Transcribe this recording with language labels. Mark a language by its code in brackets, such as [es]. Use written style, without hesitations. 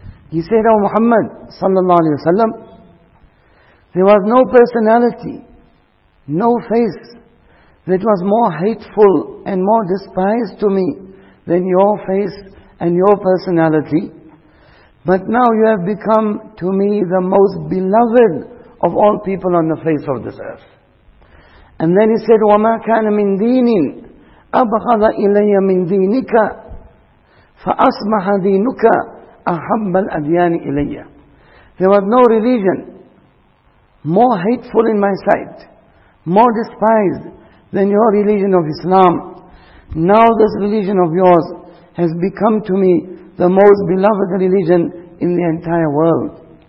[en] He said, O Muhammad صلى الله عليه وسلم, there was no personality, no face that was more hateful and more despised to me than your face and your personality. But now you have become to me the most beloved of all people on the face of this earth. And then he said, [ar] وَمَا كَانَ مِنْ دِينٍ أَبْخَذَ إِلَيَّ مِنْ دِينِكَ فَأَصْبَحَ دِينُكَ أَحَبَّ الْأَدْيَانِ إِلَيَّ. [en] There was no religion more hateful in my sight, more despised than your religion of Islam. Now this religion of yours has become to me the most beloved religion in the entire world.